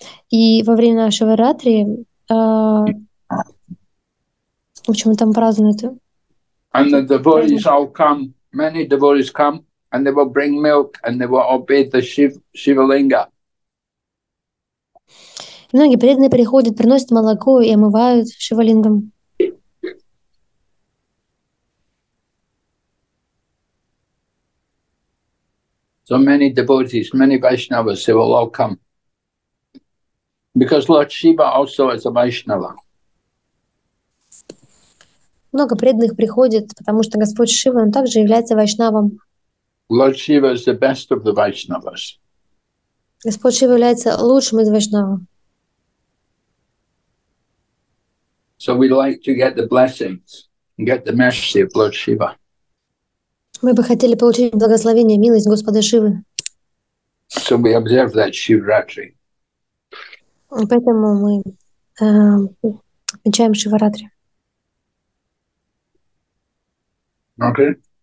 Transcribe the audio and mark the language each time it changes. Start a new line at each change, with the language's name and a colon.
Russian: И во время Шиваратри, в общем, там празднуют.
English: And the devotees all come. Many devotees come and they will bring milk and they will obey the Shivalinga.
Russian: Многие преданные приходят, приносят молоко и омывают Шивалингом.
English: So many devotees, many Vaishnavas, they will all come. Because Lord Shiva also is a Vaishnava.
Russian: Много преданных приходит, потому что Господь Шива, он также является вайшнавом.
English: Lord Shiva is the best of the Vaishnavas.
Russian: Господь Шива является лучшим из вайшнавов.
English: So we like to get the blessings, get the mercy of Lord Shiva.
Russian: Мы бы хотели получить благословение, милость Господа Шивы.
English: So we observe that Shivratri.
Russian: Поэтому мы отмечаем Шиваратри.
English: Okay.